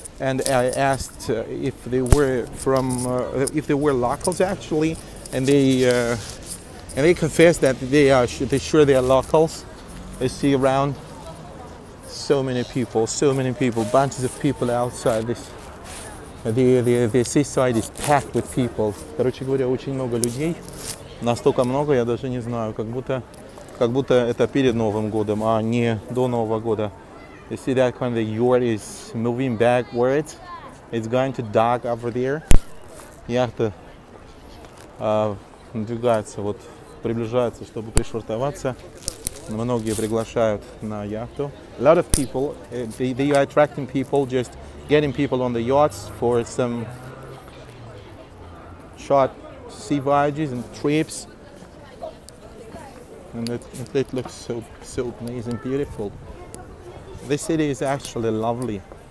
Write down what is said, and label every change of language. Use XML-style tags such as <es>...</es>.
<en>And I asked if they were locals actually. And they confess that they are locals. They see around so many people, bunches of people outside this. The seaside is packed with people.</en> <ru>Короче говоря, очень много людей. Настолько много, я даже не знаю, как будто это перед Новым годом, а не до Нового года.</ru> <en>You see that kind of the yacht is moving backwards. It's going to dock over there. Яхта.</en> <ru>Надвигается, вот приближается, чтобы пришвартоваться. Многие приглашают на яхту.</ru> <en>A lot of people, they are attracting people, just getting people on the yachts for some short sea voyages and trips. And it looks so amazing, beautiful. This city is actually lovely.</en>